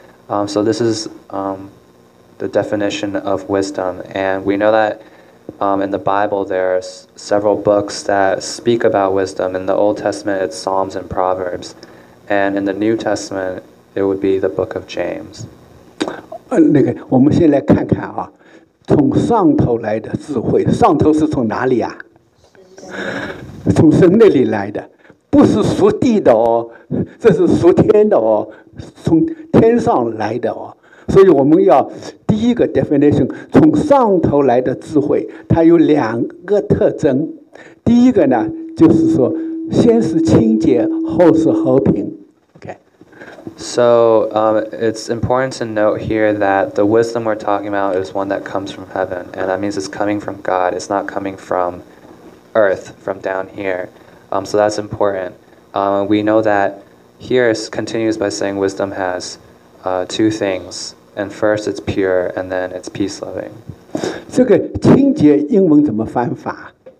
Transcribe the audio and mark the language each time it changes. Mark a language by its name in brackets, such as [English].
[English] So this is the definition of wisdom. And we know that in the Bible there are several books that speak about wisdom. In the Old Testament it's Psalms and Proverbs. And in the New Testament it would be the book of James. [Chinese] 那个，我们先来看看啊，从上头来的智慧，上头是从哪里啊？从神那里来的。不是属地的哦，这是属天的哦，从天上来的哦。所以我们要第一个 definition， 从上头来的智慧，它有两个特征。第一个呢，就是说，先是清洁，后是和平。 [English] Okay. So, it's important to note here that the wisdom we're talking about is one that comes from heaven, and that means it's coming from God. It's not coming from earth, from down here. So that's important. We know that here it continues by saying wisdom has two things. And first it's pure, and then it's peace-loving. [Chinese] 这个清洁英文怎么翻法？